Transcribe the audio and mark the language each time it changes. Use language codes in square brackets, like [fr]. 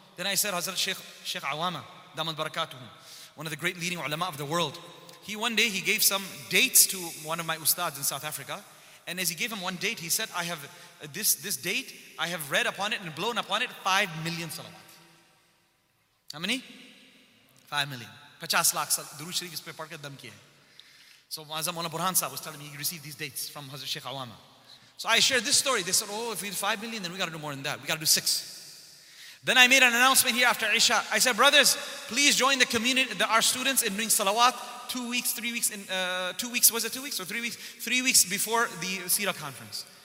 [en] Then I said, Hazrat Sheikh Awama, Damat Barakatuhu, one of the great leading ulama of the world. He one day, he gave some dates to one of my ustads in South Africa. And as he gave him one date, he said, I have this date, I have read upon it and blown upon it 5 million salawat. How many? 5 million. [ur] 50 lakh درود شریف اس پہ پڑھ کے دم کیے۔ [en] So Azam Mawlana Burhan sahab was telling me, he received these dates from Hazrat Sheikh Awama. So I shared this story. They said, oh, if we did 5 million, then we got to do more than that. We got to do 6. Then I made an announcement here after Isha. I said, brothers, please join the community, our students in doing salawat. 2 weeks, 3 weeks, in 2 weeks, was it 2 weeks or 3 weeks? 3 weeks before the seerah conference.